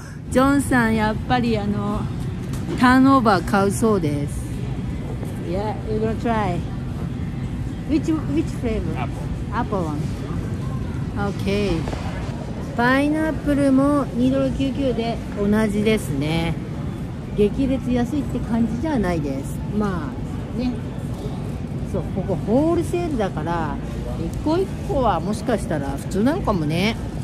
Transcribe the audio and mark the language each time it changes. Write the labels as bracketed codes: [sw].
[ja] ジョンさんやっぱりあのターンオーバー買うそうです。 [en] Yeah, you're gonna try which flavor? Apple one. Okay. [ja] パイナップルも2.99で同じですね。激烈安いって感じじゃないです。まあね、そう、ここホールセールだから一個一個はもしかしたら普通なのかもね。